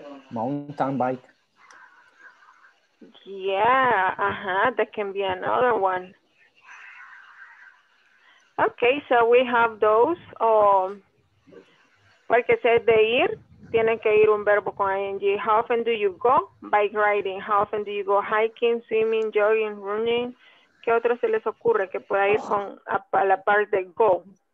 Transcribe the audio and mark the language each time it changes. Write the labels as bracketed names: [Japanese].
[English] mountain bike, yeah, ajá, that can be another one. Okay, so we have those. Like I said, [Spanish] de ir, tiene que ir un verbo con ing. [English] How often do you go bike riding? How often do you go hiking, swimming, jogging, running? [Spanish] ¿Qué otro se les ocurre que pueda ir con a la parte de go?